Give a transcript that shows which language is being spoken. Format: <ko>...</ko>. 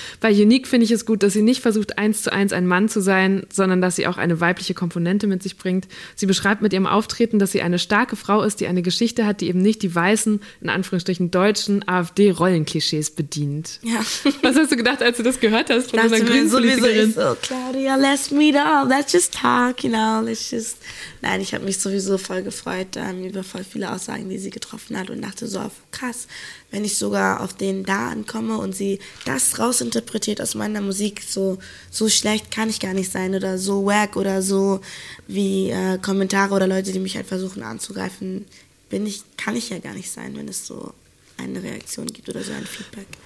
<de>Bei Unique finde ich es gut, dass sie nicht versucht, 1:1 ein Mann zu sein, sondern dass sie auch eine weibliche Komponente mit sich bringt. Sie beschreibt mit ihrem Auftreten, dass sie eine starke Frau ist, die eine Geschichte hat, die eben nicht die weißen, in Anführungsstrichen deutschen, AfD-Rollenklischees bedient. Ja. Was hast du gedacht, als du das gehört hast von unseren Grünen?</de> <en>So, Claudia, let's meet up, let's just talk, you know, let's just...</en> <de>Nein, ich habe mich sowieso voll gefreut über voll viele Aussagen, die sie getroffen hat und dachte so, krass, wenn ich sogar auf den da ankomme und sie das rausinterpretiert aus meiner Musik, so schlecht kann ich gar nicht sein oder so wack oder so wie Kommentare oder Leute, die mich halt versuchen anzugreifen, kann ich ja gar nicht sein, wenn es so eine Reaktion gibt oder so ein Feedback.</de>